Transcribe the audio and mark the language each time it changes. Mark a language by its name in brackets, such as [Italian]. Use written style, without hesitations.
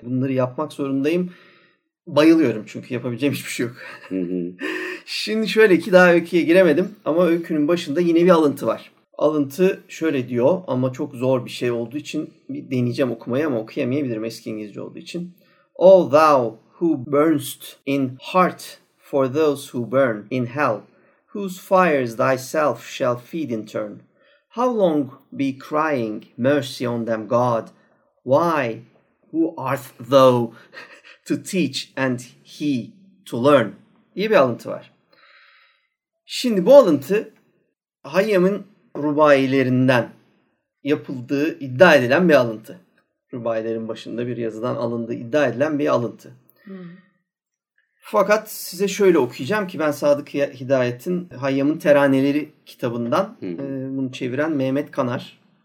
[Turkish] Bunları yapmak zorundayım. Bayılıyorum çünkü yapabileceğim hiçbir şey yok. Şimdi şöyle ki daha öyküye giremedim ama öykünün başında yine bir alıntı var. Alıntı şöyle diyor ama çok zor bir şey olduğu için bir deneyeceğim okumayı ama okuyamayabilirim eski İngilizce olduğu için. [English] O thou who burnst in heart for those who burn in hell, whose fires thyself shall feed in turn. How long be crying mercy on them, God? Why, who art thou to teach and he to learn? [Turkish] Diye bir alıntı var. Şimdi bu alıntı Hayyam'ın rubailerinden yapıldığı iddia edilen bir alıntı. Rubailerin başında bir yazıdan alındığı iddia edilen bir alıntı. Fakat size şöyle okuyacağım ki ben Sadık Hidayet'in Hayyam'ın Teraneleri kitabından bunu çeviren Mehmet Kanar.